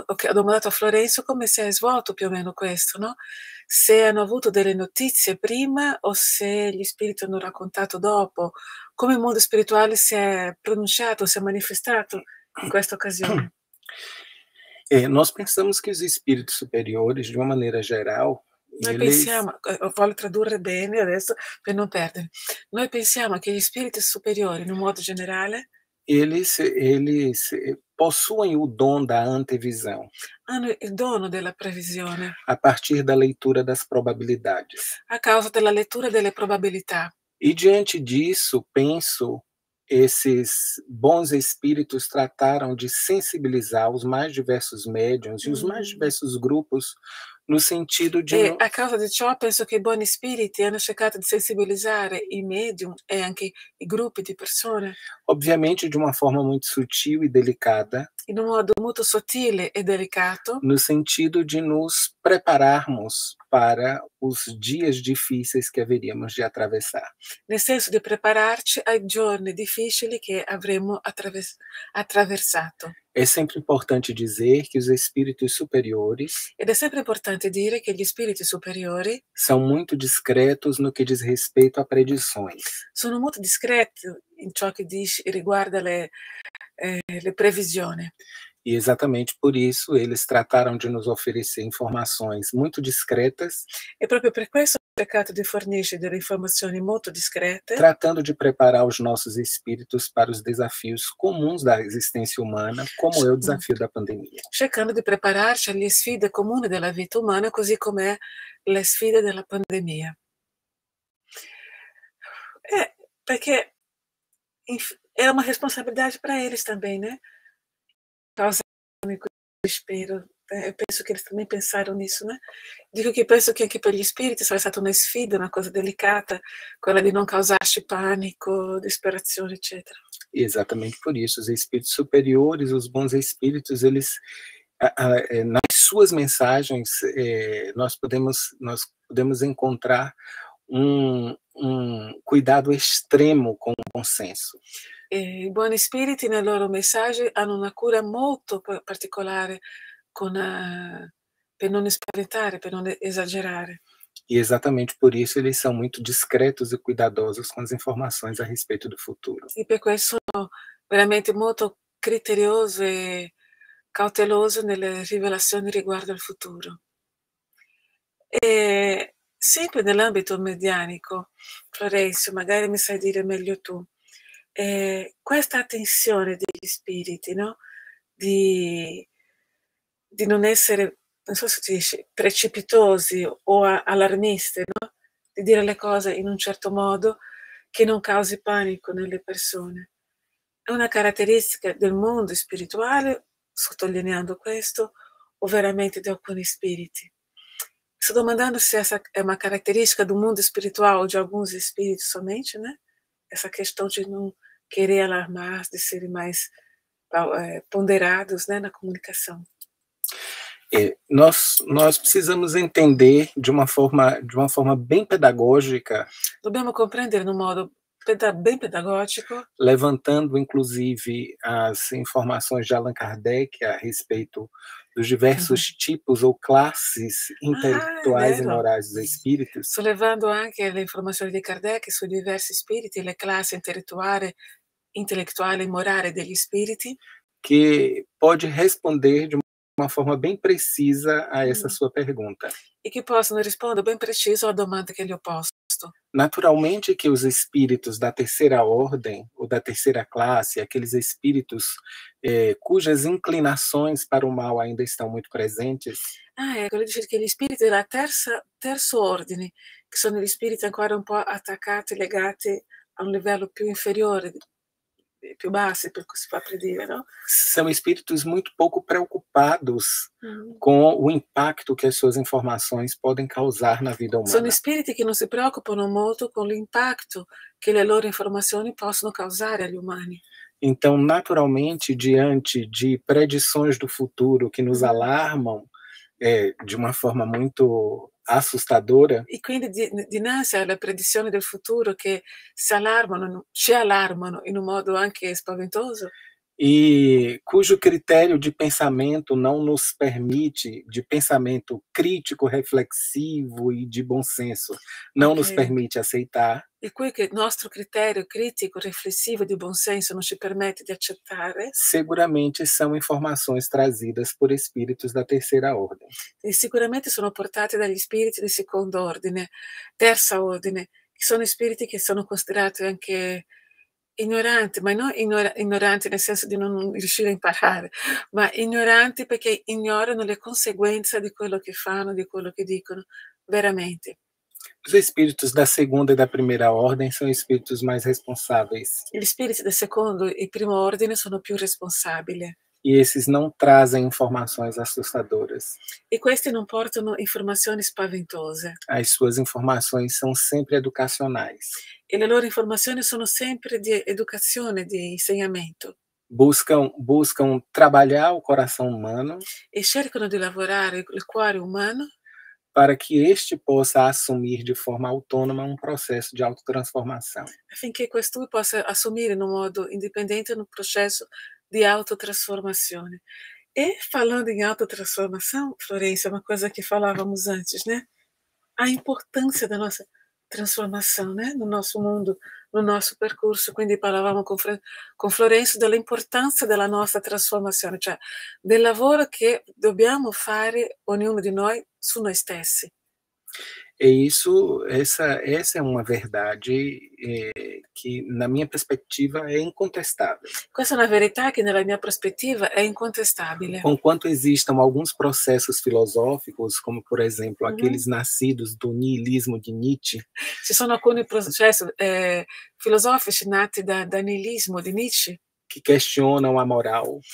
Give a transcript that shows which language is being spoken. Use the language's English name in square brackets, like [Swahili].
[Italian] Ho domandato a Florenzo come si è svolto più o meno questo, no? Se hanno avuto delle notizie prima o se gli spiriti hanno raccontato dopo, come il mondo spirituale si è pronunciato, si è manifestato in questa occasione. [Portuguese] Nós pensamos que os espíritos superiores, de uma maneira geral, [Italian] Noi [Portuguese] eles. [Italian] pensiamo, voglio tradurre bene adesso per non perdere, noi pensiamo che gli spiriti superiori, in un modo generale, [Portuguese] Eles possuem o dom da antevisão, [Italian] hanno il dono della previsione [Portuguese] a partir da leitura das probabilidades. [Italian] a causa della lettura delle probabilità. [Portuguese] E diante disso, penso. Esses bons espíritos trataram de sensibilizar os mais diversos médiuns e os mais diversos grupos no sentido [Italian] E [Portuguese] de. [Italian] a causa di ciò penso che i buoni spiriti hanno cercato di sensibilizzare i medium e anche i gruppi di persone. [Portuguese] Ovviamente de uma forma muito sutil e delicada, [Italian] In un modo molto sottile e delicato. [Portuguese] no sentido de nos prepararmos para os dias difíceis que haveríamos de atravessar. [Italian] Nel senso di prepararci ai giorni difficili che avremo attraversato. [Portuguese] É sempre importante dizer que os espíritos superiores [Italian] Ed è sempre importante dire che gli spiriti superiori [Portuguese] são muito discretos no que diz respeito a predições. [Italian] sono molto discreti in ciò che dice, riguarda le previsioni. [Portuguese] E exatamente por isso eles trataram de nos oferecer informações muito discretas, [Italian] E proprio per questo ho cercato di fornirci delle informazioni molto discrete, [Portuguese] tratando de preparar os nossos espíritos para os desafios comuns da existência humana, como é o desafio da pandemia. [Italian] cercando di prepararci alle sfide comuni della vita umana, così com'è le sfide della pandemia. Perché è una responsabilità per loro anche, né? Causando questo spero. Penso che [Portuguese] eles também pensaram nisso, né? [Italian] Dico che penso che anche per gli spiriti sarà stata una sfida, una cosa delicata, quella di non causarci panico, disperazione, eccetera. [Portuguese] E exatamente por isso, os espíritos superiores, os bons espíritos, eles, nas suas mensagens, nós podemos encontrar um cuidado extremo com o bom senso. [Italian] E i buoni spiriti nei loro messaggi hanno una cura molto particolare. Per non spaventare, per non esagerare. [Portuguese] E exatamente por isso, eles são muito discretos e cuidadosos com as informações a respeito do futuro. [Italian] E per questo sono veramente molto criterioso e cauteloso nelle rivelazioni riguardo al futuro. E sempre nell'ambito medianico, Florenzo, magari mi sai dire meglio tu, questa tensione degli spiriti, no? Di non essere, non so se si dice, precipitosi o allarmisti, no? Di dire le cose in un certo modo che non causi panico nelle persone. È una caratteristica del mondo spirituale, sottolineando questo, o veramente di alcuni spiriti? Sto domandando se [Portuguese] essa è uma caratteristica do mundo espiritual ou de alguns espíritos somente, né? Essa questão de não querer alarmar, de serem mais ponderados, né, na comunicação. Nós precisamos entender de uma forma bem pedagógica, [Italian] Dobbiamo [Portuguese] compreender no modo bem pedagógico. levantando inclusive as informações de Allan Kardec a respeito dos diversos tipos ou classes [Italian] Ah, é [Portuguese] intelectuais e [Italian] vero. [Portuguese] morais dos espíritos. [Italian] Sto levando anche le informazioni di Kardec sui diversi spiriti, le classi intellettuale e morale degli spiriti. [Portuguese] Che pode responder de uma forma bem precisa a essa sua pergunta. [Italian] E che possono rispondere ben preciso alla domanda che gli ho posto. [Portuguese] Naturalmente che os espíritos da terceira ordem ou da terceira classe, aqueles espíritos cujas inclinações para o mal ainda estão muito presentes. [Italian] Ah, ecco, lui dice che gli spiriti della terzo ordine, che sono gli spiriti ancora un po' attaccati, legati a un livello più inferiore, più basso, per così dire, no? [Portuguese] São espíritos muito pouco preocupados com o impacto que as suas informações podem causar na vida [Italian] Sono [Portuguese] umana. [Italian] spiriti che non si preoccupano molto con l'impatto che le loro informazioni possono causare agli umani. [Portuguese] Então, naturalmente, diante de predições do futuro que nos alarmam, de uma forma muito assustadora. [Italian] E quindi dinanzi alle predizioni del futuro che si allarmano, ci allarmano in un modo anche spaventoso? [Portuguese] E cujo critério de pensamento não nos permite, de pensamento crítico, reflexivo e de bom senso, não nos Ok. permite aceitar. [Italian] E qui che il nostro criterio critico, riflessivo, di buon senso non ci permette di accettare? [Portuguese] Seguramente são informações trazidas por espíritos da terceira ordem. [Italian] E sicuramente sono portate dagli spiriti di secondo ordine, terza ordine, che sono spiriti che sono considerati anche ignoranti, ma non ignoranti nel senso di non riuscire a imparare, ma ignoranti perché ignorano le conseguenze di quello che fanno, di quello che dicono, veramente. [Portuguese] Os espíritos da segunda e da primeira ordem são espíritos mais responsáveis. [Italian] Gli spiriti del secondo e primo ordine sono più responsabili. [Portuguese] E esses não trazem informações assustadoras. [Italian] E queste non portano informazioni spaventose. [Portuguese] As suas informações são sempre educacionais. [Italian] E le loro informazioni sono sempre di educazione, di insegnamento. [Portuguese] Buscam trabalhar o coração humano. [Italian] E cercano di lavorare il cuore umano. [Portuguese] Para que este possa assumir de forma autônoma um processo de autotransformação. [Italian] Affinché questo possa assumere in un modo indipendente un processo di autotrasformazione. [Portuguese] E falando em autotransformação, Florência, uma coisa que falávamos antes, né? A importância da nossa transformação, né? No nosso mundo, no nosso percurso. [Italian] Quindi parlavamo com Florência dell'importanza della nostra trasformazione, cioè del lavoro che dobbiamo fare ognuno di noi su noi stessi. [Portuguese] Essa é uma verdade, que, na minha perspectiva, é incontestável. [Italian] Questa è una verità che nella mia prospettiva è incontestabile. [Portuguese] Conquanto esistam alguns processos filosóficos, como, por exemplo, aqueles nascidos do niilismo de Nietzsche, [Italian] Ci sono alcuni processi filosofici nati da nihilismo di Nietzsche, [Portuguese] que questionam a moral